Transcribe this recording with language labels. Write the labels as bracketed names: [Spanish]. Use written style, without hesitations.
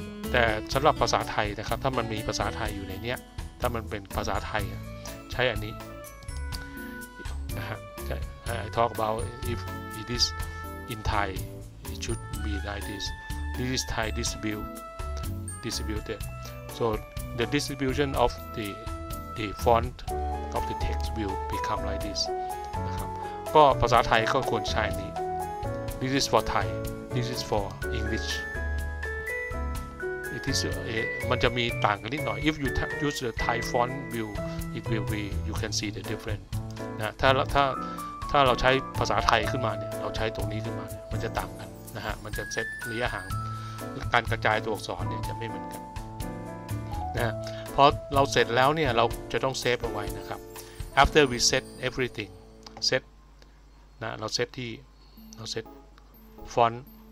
[Thai] แต่สำหรับภาษาไทยนะครับถ้ามันมีภาษาไทยอยู่ในเนี้ยถ้ามันเป็นภาษาไทยใช้อันนี้นะฮะ [English] I talk about if it isIn Thai, it should be like this. This is Thai distributed. So the distribution of the font of the text will become like this. [Thai] นะครับ ก็ภาษาไทยก็ควรใช้นี้ [English] This is for Thai. This is for English. It is [Thai] มันจะมีต่างกันนิดหน่อย [English] If you use the Thai font, it will be you can see the difference. [Thai] นะถ้าเราใช้ภาษาไทยขึ้นมาเนี่ยเราใช้ตรงนี้ขึ้นมาเนี่ยมันจะต่างกันนะฮะมันจะเซตระยะห่างการกระจายตัวอักษรเนี่ยจะไม่เหมือนกันนะพอเราเสร็จแล้วเนี่ยเราจะต้องเซฟเอาไว้นะครับ [English] after we set everything set [Thai] นะเราเซตที่เราเซตฟอนต์